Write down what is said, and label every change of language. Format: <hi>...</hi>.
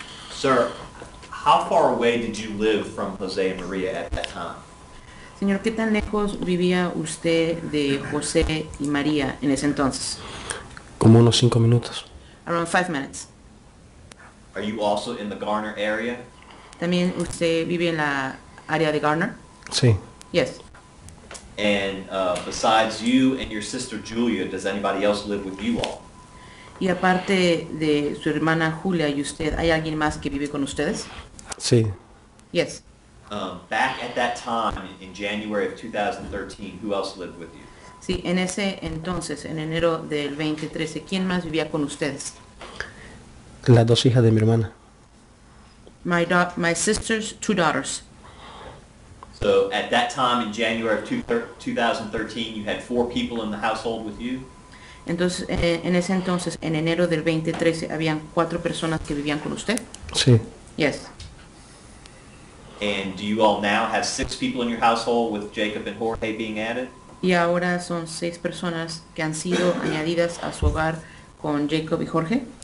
<en>Sir, how far away did you live from Jose and Maria at that time?</en> <es>Señor, ¿qué tan lejos vivía usted de José y María en ese entonces? Como unos 5 minutos.</es> <en>Around 5 minutes. Are you also in the Garner area?</en> <es>¿También usted vive en la área de Garner? Sí.</es> <en>Yes. And besides you and your sister Julia, does anybody else live with you all?</en> <es>Y aparte de su hermana Julia y usted, ¿hay alguien más que vive con ustedes? Sí.</es> <en>Yes. Back at that time, in January of 2013, who else lived with you?</en> <es>Sí, en ese entonces, en enero del 2013, ¿quién más vivía con ustedes? Las dos hijas de mi hermana.</es> <en>My sister's two daughters. So at that time in January of 2013, you had four people in the household with you?</en> <es>Entonces, en ese entonces, en enero del 2013, habían cuatro personas que vivían con usted? Sí.</es> <en>Yes. And do you all now have six people in your household with Jacob and Jorge being added?</en> <es>Y ahora son seis personas que han sido añadidas a su hogar con Jacob y Jorge?</es>